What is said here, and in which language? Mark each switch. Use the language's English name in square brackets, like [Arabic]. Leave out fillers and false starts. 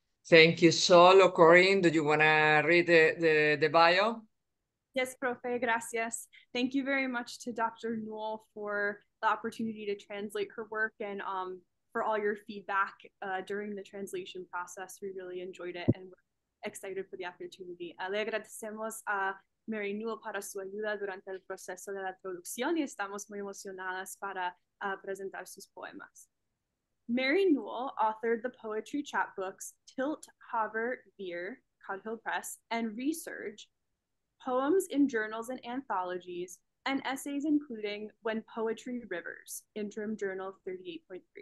[English] Thank you, Sol or Corinne. Do you want to read the bio? Yes, [Spanish] profe, gracias. [English] Thank you very much to Dr. Newell for the opportunity to translate her work and for all your feedback during the translation process. We really enjoyed it and we're excited for the opportunity. [Spanish] Le agradecemos a Mary Newell para su ayuda durante el proceso de la traducción y estamos muy emocionadas para presentar sus poemas. [English] Mary Newell authored the poetry chapbooks Tilt, Hover, Veer, Codhill Press, and Resurge, poems in journals and anthologies, and essays including When Poetry Rivers, Interim Journal 38.3.